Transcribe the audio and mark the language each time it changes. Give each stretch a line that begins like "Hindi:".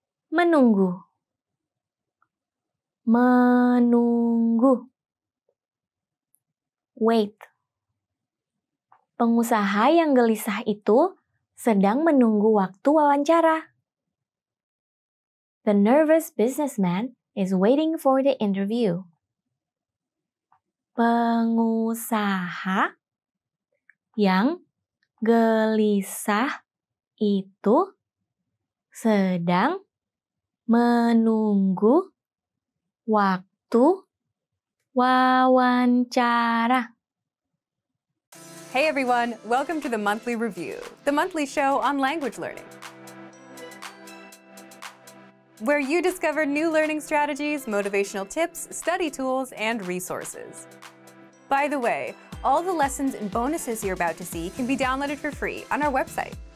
Indonesian: Menunggu. Menunggu.
English: Wait.
Indonesian: Pengusaha yang gelisah itu sedang menunggu waktu wawancara.
English: The nervous businessman is waiting for the interview.
Indonesian: Pengusaha yang gelisah itu sedang menunggu waktu wawancara.
English: Hey everyone, welcome to the Monthly Review, the monthly show on language learning, where you discover new learning strategies, motivational tips, study tools, and resources. By the way, all the lessons and bonuses you're about to see can be downloaded for free on our website.